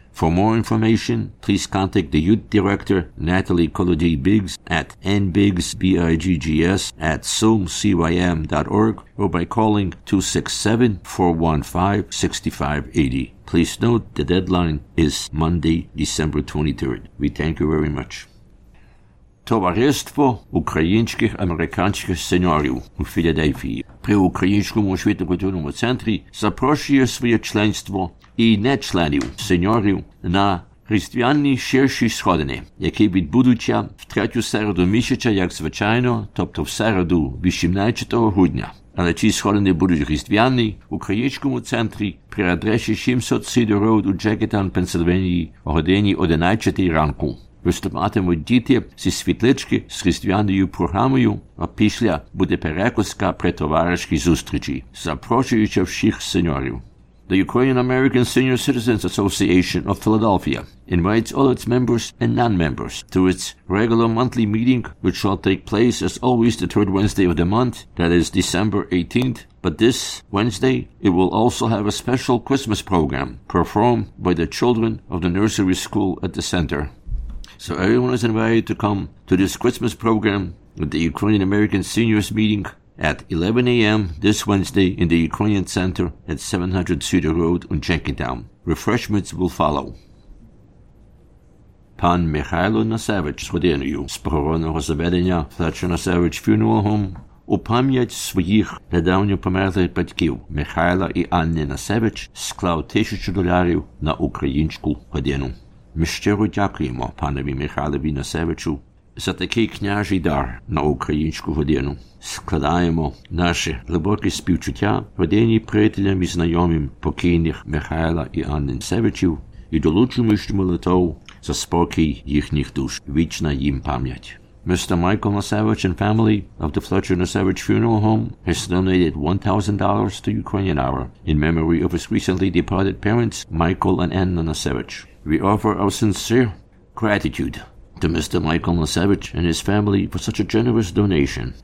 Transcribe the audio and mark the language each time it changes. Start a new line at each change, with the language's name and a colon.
English: For more information, please contact the Youth Director, Natalie Colody Biggs, at nbiggs@sumcym.org or by calling 267-415-6580. Please note the deadline is Monday, December 23rd. We thank you very much.
Ukrainian: Товариство українських американських сеньорів у Філадельфії при Українському освітньо-культурному центрі запрошує своє членство і нечленів сеньорів на Різдвяні ширші сходини, які відбудуться в третю середу місяця, як звичайно, тобто в середу 18 грудня. Але ці сходини будуть різдвяні в Українському центрі при адресі 700 Cedar Road у Джекетан, Пенсильванії, о годині 11 ранку. Виступатимуть діти зі світлички з різдвяною програмою, а після буде перекуска при товаришській зустрічі, запрошуючи всіх сеньорів.
English: The Ukrainian American Senior Citizens Association of Philadelphia invites all its members and non-members to its regular monthly meeting, which shall take place as always the third Wednesday of the month, that is December 18th. But this Wednesday, it will also have a special Christmas program performed by the children of the nursery school at the center. So everyone is invited to come to this Christmas program at the Ukrainian American Seniors meeting at 11 a.m. this Wednesday in the Ukrainian Center at 700 Cedar Road in Jenkintown. Refreshments will follow.
Ukrainian: Пан Михайло Насевич з годиною з похоронного заведення Fletcher Насевич Funeral Home у пам'ять своїх недавньо померлих батьків Михайла і Анни Насевич склав $1,000 на українську годину. Ми щиро дякуємо панові Михайлові Насевичу за такий княжий дар на українську годину. Складаємо наші глибокі співчуття родині, приятелям і знайомим покійних Михайла і Анни Насевичів і долучимось молитов за спокій їхніх душ. Вічна їм пам'ять. Mr.
English: Michael Nasevich and family of the Fletcher Nasevich Funeral Home has donated $1,000 to Ukrainian Hour in memory of his recently departed parents, Michael and Anna Nasevich. We offer our sincere gratitude to Mr. Michael Nasevich and his family for such a generous donation.